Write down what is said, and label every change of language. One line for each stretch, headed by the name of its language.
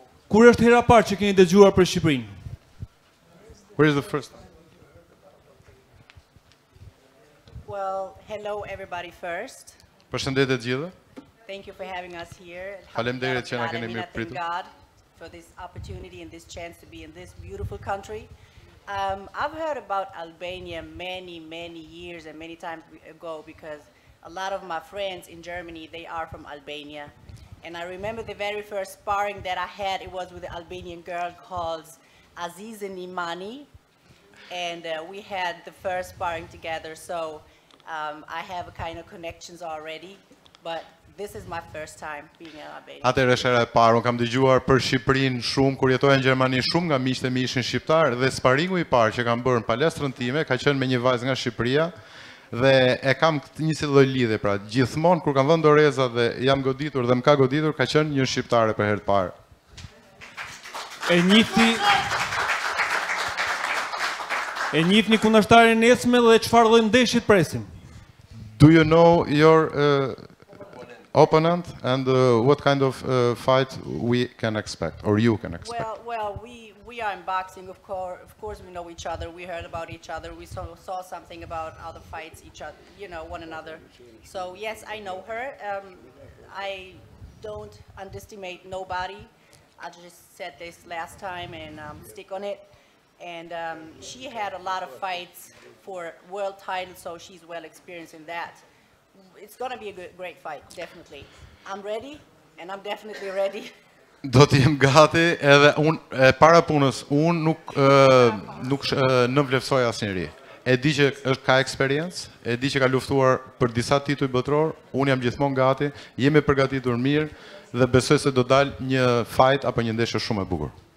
Albanian: Kur është hera parë që keni dëgjuar për Shqipërinë?
English: Where is the first time? Well, hello everybody first.
Albanian: Përshëndetje të gjithëve.
English: Thank you for having us here.
Albanian: Faleminderit që na keni mirë pritur.
English: Thank God for this opportunity and this chance to be in this beautiful country. I've heard about Albania many, many years and many times ago because a lot of my friends in Germany, they are from Albania. And I remember the very first sparring that I had, it was with an Albanian girl called Azize Nimani. And we had the first sparring together, so I have a kind of connections already, but this is my first time being in Albania.
Albanian: Atëherë është hera e parë, unë kam dëgjuar për Shqipërinë shumë, kur jetoja në Gjermani shumë nga miqtë e mi ishin shqiptarë, dhe sparingu i parë që kam bërë në palestrën time, ka qenë me një vajzë nga Shqipëria, dhe e kam këtë një si lloj lidhje, pra gjithmonë kur kam dhënë doreza dhe jam goditur dhe më ka goditur, ka qenë një shqiptare për herë të parë. E njihni kundërshtarin nesme dhe çfarë lloj ndeshje të presim?
English: Do you know your opponent and what kind of fight we can expect or you can expect? Well, we are in boxing, of course we know each other, we heard about each other, we saw something about other fights, each other, you know, one another. So yes, I know her. I don't underestimate nobody. I just said this last time and stick on it. And she had a lot of fights for world titles, so she's well experienced in that. It's going to be a great fight, definitely. I'm ready, and I'm definitely ready.
Albanian: Do të jem gati, edhe unë, para punës, unë nuk vlefsoj asnjëri. E di që është ka eksperiencë, e di që ka luftuar për disa tituj botëror, unë jam gjithmonë gati, jemi përgatitur mirë, dhe besoj se do dalë një fight apo një ndeshje shumë e bukur.